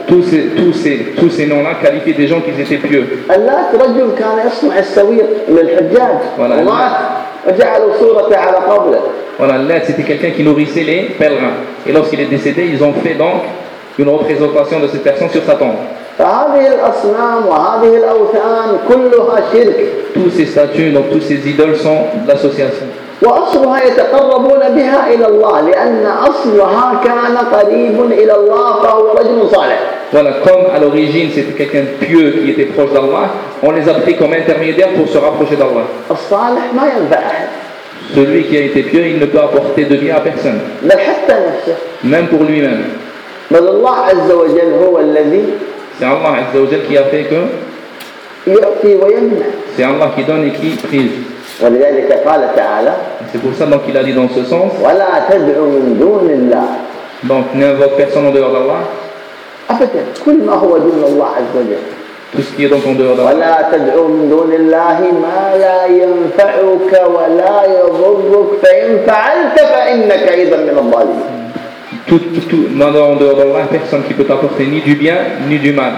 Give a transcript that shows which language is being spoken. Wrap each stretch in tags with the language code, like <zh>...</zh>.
<fr>Tous ces noms-là qualifient des gens qui étaient pieux.</fr> <ar>اللات رجل كان يصنع السوير للحجاج.</ar> <fr>Voilà,</fr> <ar>ومات وجعلوا صورته على قبره.</ar> <fr>Voilà, اللات c'était quelqu'un qui nourrissait les pèlerins. Et lorsqu'il est décédé, ils ont fait donc une représentation de cette personne sur sa tombe.</fr> <ar>هذه الأصنام وهذه الأوثان كلها شرك.</ar> <fr>Toutes ces statues, donc toutes ces idoles sont de l'association.</fr> <ar>وأصلها يتقربون بها إلى الله لأن أصلها كان قريب إلى الله فهو رجل صالح.</ar> <fr>Voilà, comme à l'origine c'était quelqu'un de pieux qui était proche d'Allah, on les a pris comme intermédiaires pour se rapprocher d'Allah.</fr> <ar>الصالح ما ينفع.</ar> <fr>Celui qui a été pieux, il ne peut apporter de bien à personne.</fr> <ar>بل حتى نفسه.</ar> <fr>Même pour lui-même.</fr> <ar>بل الله عز وجل هو الذي.</ar> <fr>C'est Allah عز وجل qui a fait que.</fr> <ar>يعطي ويمنع.</ar> <fr>C'est Allah qui donne et qui prive.</fr> <ar>ولذلك قال تعالى.</ar> <fr>C'est pour ça donc qu'il a dit dans ce sens.</fr> <ar>ولا تدعوا من دون الله.</ar> <fr>Donc n'invoque personne en dehors d'Allah.</fr> <ar>كل ما هو دون الله عز وجل.</ar> <fr>Tout ce qui est donc en dehors d'Allah.</fr> <ar>ولا تدعوا من دون الله ما لا ينفعك ولا يضرك فإن فعلت فإنك أيضا من الظالمين.</ar> <fr>Tout, en dehors d'Allah, personne qui peut t'apporter ni du bien ni du mal.</fr>